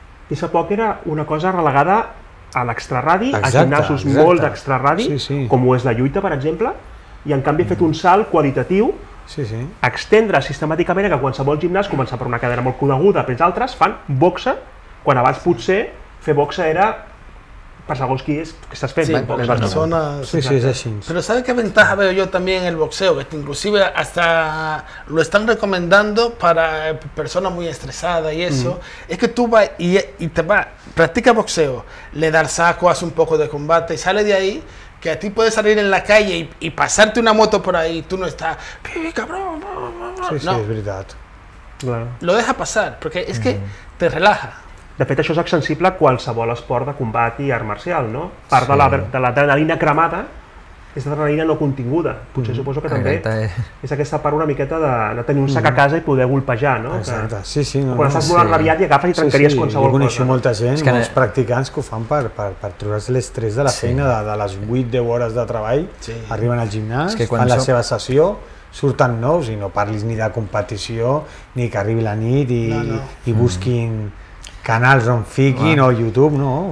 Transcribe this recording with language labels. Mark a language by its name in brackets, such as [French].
[Catalan] I fa poc era una cosa relegada a l'extraradi, a gimnasos molt d'extraradi, com ho és la lluita, per exemple, i en canvi ha fet un salt qualitatiu. Extendre sistemàticament que qualsevol gimnàs, començar per una cadena molt coneguda, per altres, fan boxe, quan abans potser fer boxe era per segons qui és que estàs fent. Sí, és així. Però saps que [Spanish] ventaja veo [Catalan] jo també [Spanish] en el boxeo? Que inclusive hasta lo están recomendando para personas muy estresadas y eso. Es que tú vas y te vas, practica boxeo, le das saco, hace un poco de combate y sale de ahí, que a ti puedes salir en la calle y pasarte una moto por ahí y tú no estás... ¡Cabrón! Sí, sí, no. Es verdad. lo deja pasar, porque es que te relaja. [Catalan] De fet, això és accessible a qualsevol esport de combat i art marcial, no? Part de l'adrenalina cremada és l'adrenalina no continguda. Potser suposo que també és aquesta part una miqueta de tenir un sac a casa i poder golpejar, no? Exacte, sí, sí. Quan estàs molt enrabiat i agafes i trencaries qualsevol cosa. Sí, sí, jo coneixo molta gent, molts practicants que ho fan per treure's l'estrès de la feina, de les 8-10 hores de treball, arriben al gimnàs, fan la seva sessió, surten nous i no parlis ni de competició, ni que arribi la nit i busquin canals on fiquin, o YouTube, no?